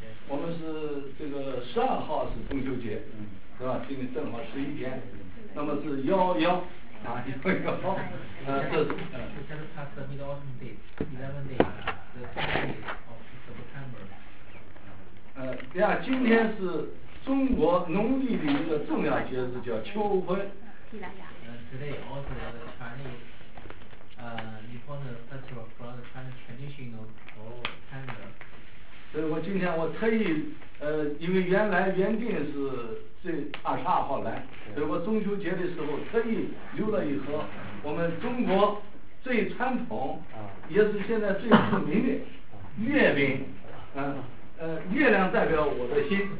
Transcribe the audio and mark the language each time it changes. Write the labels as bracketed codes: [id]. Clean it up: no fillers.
[zh] 我们是这个12号是中秋节，是吧？今天正好11天，那么是11啊，11，这是。 [en] We just passed the Mid Autumn Days, 11 days, the 20th of September. [zh] 第二，今天是中国农历的一个重要节日，叫秋分。 [en] Today also the Chinese important festival from the Chinese traditional calendar. [zh] 所以我今天我特意因为原定是这22号来，所以我中秋节的时候特意留了一盒我们中国最传统也是现在最著名的月饼，月亮代表我的心。